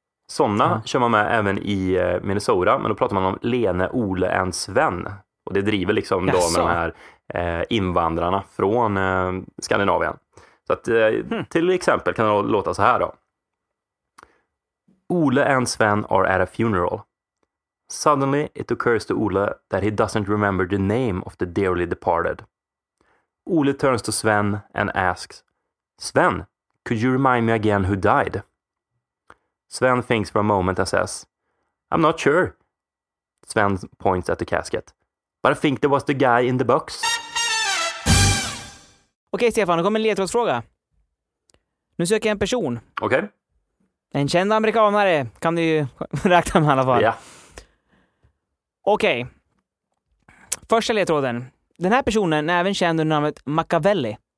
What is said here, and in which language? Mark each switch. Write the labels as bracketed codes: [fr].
[sv] Såna kör man med även i Minnesota, men då pratar man om Lene, Ole och Sven. Och det driver liksom då med de här invandrarna från Skandinavien. Så att, till exempel kan det låta så här då. [en] Ole and Sven are at a funeral. Suddenly it occurs to Ole that he doesn't remember the name of the dearly departed. Ole turns to Sven and asks, Sven, could you remind me again who died? Sven thinks for a moment and says, I'm not sure. Sven points at the casket. But I think there was the guy in the box. [sv] Okej, Stefan, då kommer en ledtrådsfråga. Nu söker jag en person. Okej. En känd amerikanare kan du ju räkna med i alla fall. Ja. [en] Yeah. [sv] Okej. [en] Okay. [sv] Första ledtråden. Den här personen är även känd under namnet Machiavelli.